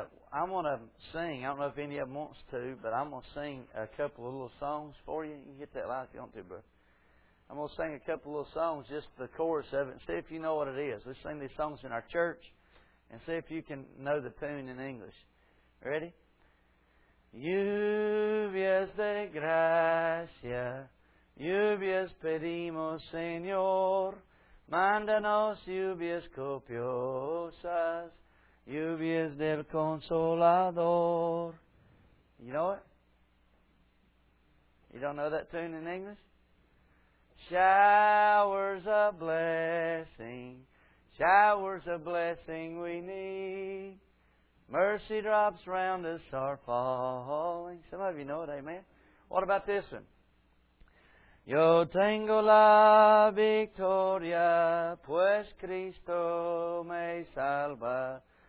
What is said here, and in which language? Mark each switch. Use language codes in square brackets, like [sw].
[en] I'm going to sing. I don't know if any of them wants to, but I'm going to sing a couple of little songs for you. You can hit that light if you want to, bro. I'm going to sing a couple of little songs, just the chorus of it, and see if you know what it is. We sing these songs in our church, and see if you can know the tune in English. Ready? [es] Lluvias de gracia, lluvias pedimos, Señor. Mándanos lluvias copiosas, lluvias del Consolador. [en] You know it? You don't know that tune in English? Showers of blessing, showers of blessing we need. Mercy drops round us are falling. Some of you know it, amen? What about this one? [es] Yo tengo la victoria, pues Cristo me salva.